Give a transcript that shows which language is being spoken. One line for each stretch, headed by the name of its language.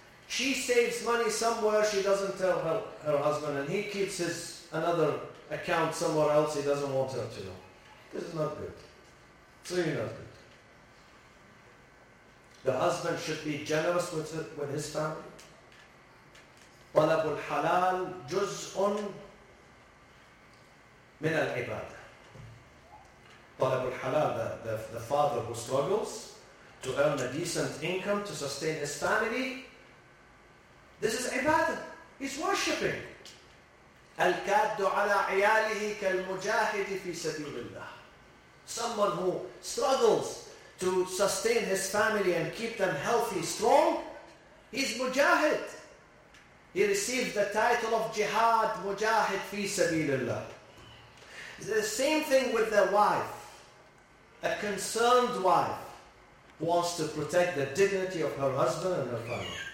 English: She saves money somewhere, she doesn't tell her husband, and he keeps his another account somewhere else, he doesn't want her to know. This is not good. It's really not good. The husband should be generous with his family.
Arabic: طلب الحلال جزء من العبادة. طلب الحلال,
English: the father who struggles to earn a decent income to sustain his family, this is ibadah. He's worshipping.
Arabic: الكاد على عياله كالمجاهد في سبيل الله.
English: Someone who struggles to sustain his family and keep them healthy, strong, he's mujahid. He received the title of jihad, mujahid
Arabic: في سبيل الله.
English: The same thing with the wife. A concerned wife wants to protect the dignity of her husband and her family.